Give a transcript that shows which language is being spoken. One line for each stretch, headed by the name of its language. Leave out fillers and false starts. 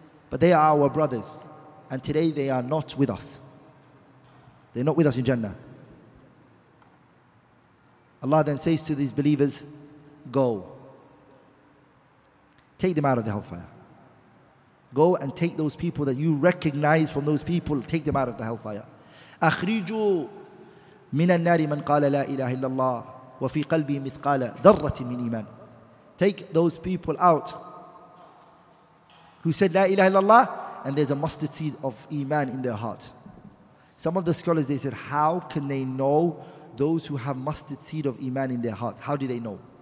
English: But they are our brothers. And today they are not with us. They're not with us in Jannah. Allah then says to these believers, go. Take them out of the hellfire. Go and take those people that you recognize from those people, take them out of the hellfire.
Arabic: أخرجوا من النار من قال لا إله إلا الله وفي قلبي مثقال ذرة من إيمان.
English: Take those people out who said
Arabic: لا إله إلا الله
English: and there's a mustard seed of Iman in their heart. Some of the scholars, they said, how can they know those who have mustard seed of Iman in their hearts? How do they know?